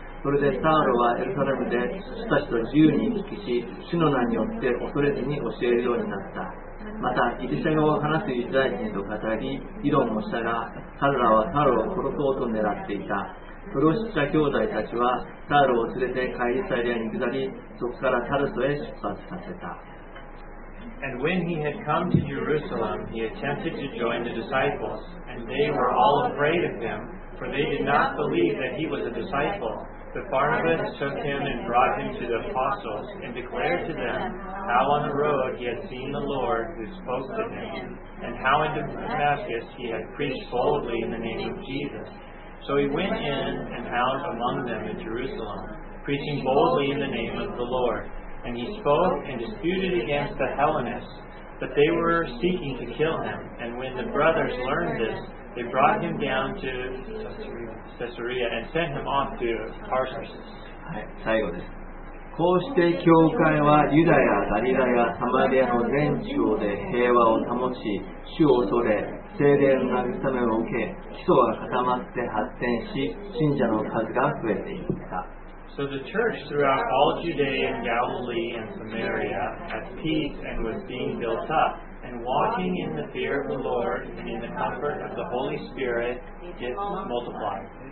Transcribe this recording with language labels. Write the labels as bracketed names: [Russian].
[Japanese] それでサウルはエルサレムで人たちと自由に行き来し、主の名によって恐れずに教えるようになった。またギリシャ語を話すユダヤ人と語り、議論もしたが、彼らはサウルを殺そうと狙っていた。プロシッチャ兄弟たちはサウルを連れてカイサリアに下り、そこからタルソへ出発させた。 [English] And when he had come to Jerusalem, he attempted to join the disciples, and they were all afraid of him, for they did not believe that he was a disciple. But Barnabas took him and brought him to the apostles, and declared to them how on the road he had seen the Lord who spoke to him, and how in Damascus he had preached boldly in the name of Jesus. So he went in and out among them in Jerusalem, preaching boldly in the name of the Lord. And he spoke and disputed against the Hellenists, but they were seeking to kill him. And when the brothers learned this, they brought him down to Caesarea and sent him off to Tarsus. [Japanese] はい、最後です。こうして教会はユダヤ、ガリラやサマリアの全地方で平和を保ち、主を恐れ、聖霊の慰めを受け、基礎が固まって発展し、信者の数が増えていった。 [English] So the church throughout all Judea and Galilee and Samaria had peace and was being built up, and walking in the fear of the Lord and in the comfort of the Holy Spirit, it multiplied.